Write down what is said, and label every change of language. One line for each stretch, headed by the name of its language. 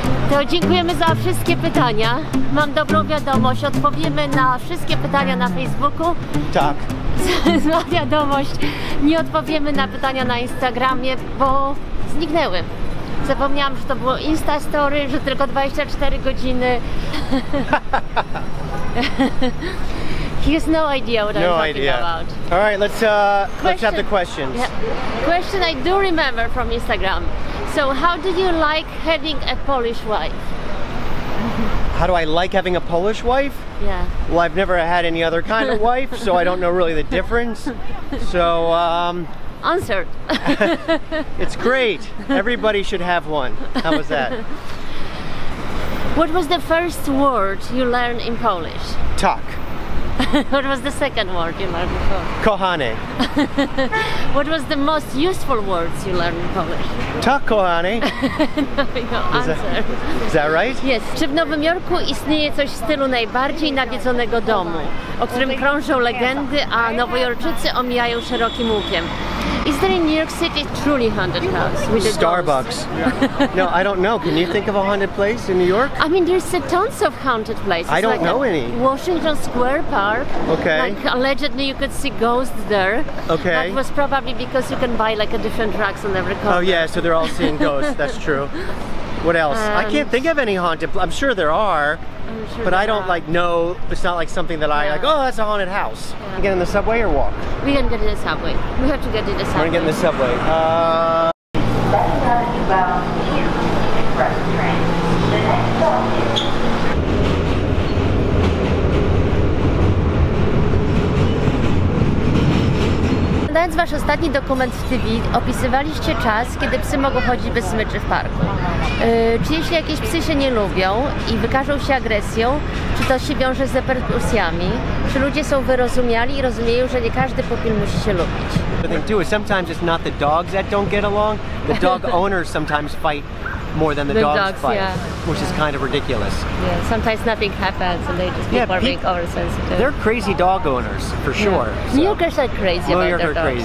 Polish: To dziękujemy za wszystkie pytania. Mam dobrą wiadomość, odpowiemy na wszystkie pytania na Facebooku. Tak. Zła wiadomość, nie odpowiemy na pytania na Instagramie, bo zniknęły. Zapomniałam, że to było Insta Story, że tylko 24 godziny.
English: He has no idea what I'm talking about. All right, let's have the questions. Yeah. Question I do remember from Instagram. So how do you like having a Polish wife? How do I like having a Polish wife? Yeah. Well, I've never had any other kind of wife, so I don't know really the difference. So, answer. It's great. Everybody should have one. How was that? What was the first word you learned in Polish?
Polish: Tak.
English: What was the second word you learned before?
Polish: Kochane.
English: What was the most useful words you learned in Polish?
Polish: Tak, kochane.
English: No, answer. Is that right? Yes.
Polish: Czy w Nowym Jorku istnieje coś w stylu najbardziej nawiedzonego domu, o którym krążą legendy, a Nowojorczycy omijają szerokim łukiem?
English: Is there in New York City truly haunted house with a Starbucks? No, I don't know. Can you think of a haunted place in New York? I mean, there's tons of haunted places. I don't know any. Washington Square Park. Okay. Like, allegedly you could see ghosts there. Okay. That was probably because you can buy like a different drugs on every corner. Oh yeah, so they're all seeing ghosts. That's true. What else? I can't think of any haunted place. I'm sure there are. I'm sure, but I don't know. It's not like something that I like. Oh, that's a haunted house. Yeah. Get in the subway or walk? We can get in the subway. We have to get in the subway. We're gonna get in the subway.
Polish: Znając wasz ostatni dokument w TV, opisywaliście czas, kiedy psy mogą chodzić bez smyczy w parku. Czy jeśli jakieś psy się nie lubią i wykażą się agresją, czy to się wiąże z reperkusjami? Czy ludzie są wyrozumiali i rozumieją, że nie każdy pupil musi się lubić?
English: What they do is sometimes it's not the dogs that don't get along, the dog owners sometimes fight more than the dogs fight, yeah. Which is kind of ridiculous. Yeah, sometimes nothing happens and they just people are being oversensitive. They're crazy dog owners, for sure. Yeah. New Yorkers are crazy about their dogs.